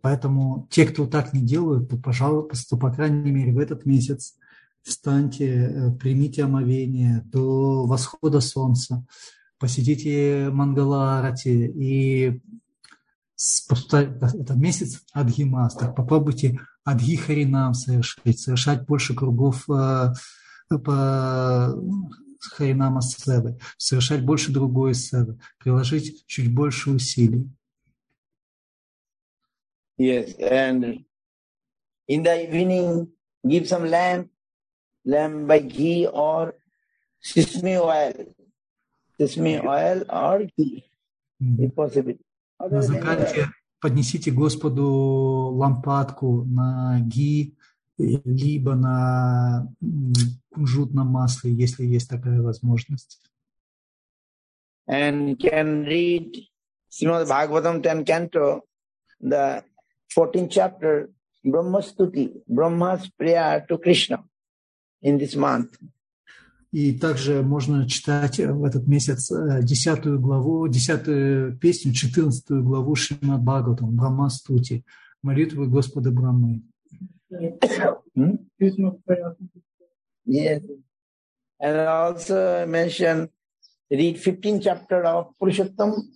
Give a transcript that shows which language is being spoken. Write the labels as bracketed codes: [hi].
[ru] Поэтому те, кто так не делают, то, пожалуйста, по крайней мере, в этот месяц встаньте, примите омовение до восхода солнца, посетите Мангал Арати и это месяц Адхимас. Так попробуйте Адхихаринам совершить, совершать больше кругов по Харинама Севы, совершать больше другой Севы, приложить чуть больше усилий. [en] Yes, and in the evening give some lamb by ghee or sesame oil or ghee, if possible. [ru] На закате поднесите Господу лампадку на ги, либо на кунжутном масле, если есть такая возможность. [en] And can read Srimad Bhagavatam 10 canto, the 14th chapter, Brahma Stuti, Brahma's prayer to Krishna in this month. [ru] И также можно читать в этот месяц 10 главу, 10 песню, 14 главу Шримад Бхагаватам, Брахма Стути, молитвы Господа Брахмы. [en] Yes. And I also mentioned, read 15th chapter of Purushottam.